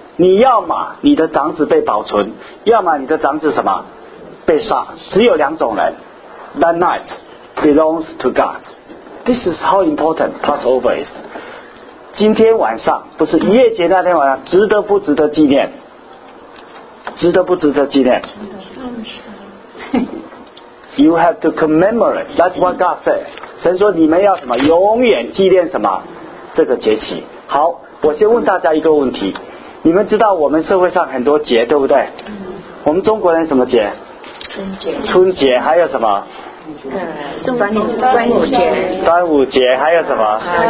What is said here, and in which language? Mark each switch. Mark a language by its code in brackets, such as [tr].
[zh] 你要嘛你的长子被保存，要嘛你的长子什么被杀，只有两种人。 [en] That night belongs to God。 This is how important Passover is。 [zh] 今天晚上不是逾越节那天晚上，值得不值得纪念？值得不值得纪念？ [en] You have to commemorate, that's what God said。 [zh] 神说你们要什么？永远纪念什么？这个节期。好，我先问大家一个问题，你们知道我们社会上很多节对不对？我们中国人什么节？春节。春节还有什么？端午节还有什么？